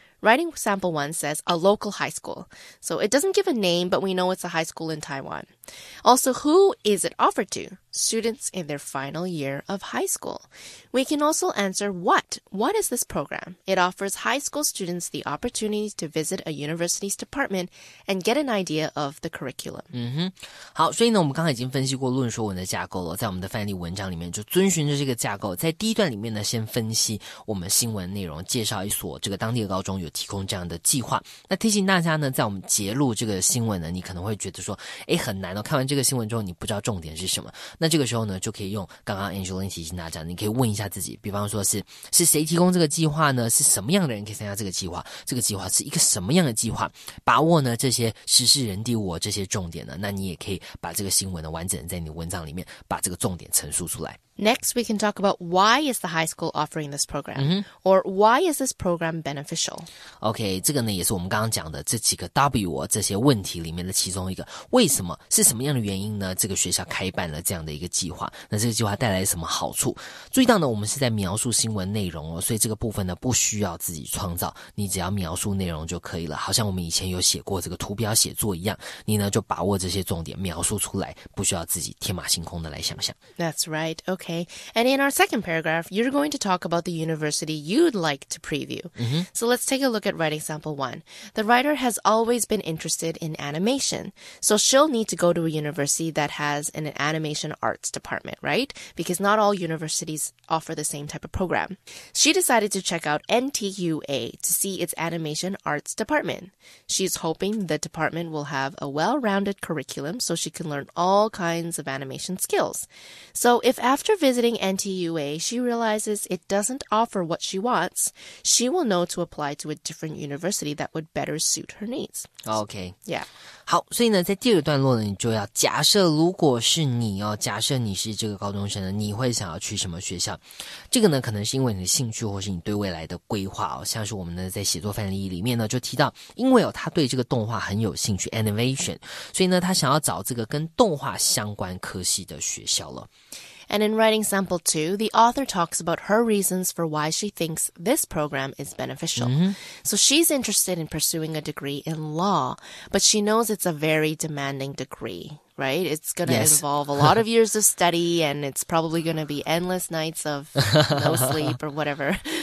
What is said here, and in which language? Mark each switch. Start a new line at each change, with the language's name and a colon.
English: Writing sample one says a local high school. So it doesn't give a name, but we know it's a high school in Taiwan. Also, who is it offered to? Students in their final year of high school. We can also answer what. What is this program? It offers high school students the opportunity to visit a university's department and get an idea of the curriculum.
Chinese: 嗯哼，好，所以呢，我们刚才已经分析过论说文的架构了，在我们的范例文章里面就遵循着这个架构，在第一段里面呢，先分析我们新闻内容，介绍一所这个当地的高中有提供这样的计划。那提醒大家呢，在我们揭露这个新闻呢，你可能会觉得说，哎，很难哦。看完这个新闻之后，你不知道重点是什么。那这个时候呢，就可以用刚刚 Angeline 提醒大家，你可以问一下自己，比方说是谁提供这个计划呢？是什么样的人可以参加这个计划？这个计划是一个什么样的计划？把握呢这些时事人地物这些重点呢？那你也可以把这个新闻呢完整在你文章里面把这个重点陈述出来。
English: Next, we can talk about why is the high school offering this program,、mm-hmm. or why is this program beneficial?
Chinese: Okay, 这个呢也是我们刚刚讲的这几个 W 这些问题里面的其中一个。为什么是什么样的原因呢？这个学校开办了这样的一个计划，那这个计划带来什么好处？注意到呢，我们是在描述新闻内容哦，所以这个部分呢不需要自己创造，你只要描述内容就可以了。好像我们以前有写过这个图标写作一样，你呢就把握这些重点描述出来，不需要自己天马行空的来想象。
English: That's right. Okay. Okay, and in our second paragraph, you're going to talk about the university you'd like to preview.、 Mm-hmm. So let's take a look at writing sample one. The writer has always been interested in animation, so she'll need to go to a university that has an animation arts department, right? Because not all universities offer the same type of program. She decided to check out NTUA to see its animation arts department. She's hoping the department will have a well-rounded curriculum so she can learn all kinds of animation skills. So if After visiting NTUA, she realizes it doesn't offer what she wants. She will know to apply to a different university that would better suit her needs. Okay. Yeah.
Chinese: 好，所以呢，在第二段落呢，你就要假设，如果是你哦，假设你是这个高中生呢，你会想要去什么学校？这个呢，可能是因为你的兴趣，或是你对未来的规划哦。像是我们呢，在写作范例里面呢，就提到，因为哦，他对这个动画很有兴趣 ，animation， 所以呢，他想要找这个跟动画相关科系的学校了。
English: And in writing sample 2, the author talks about her reasons for why she thinks this program is beneficial. Mm-hmm. So she's interested in pursuing a degree in law, but she knows it's a very demanding degree, right? It's going to、 yes. involve a lot of years of study, and it's probably going to be endless nights of no sleep or whatever.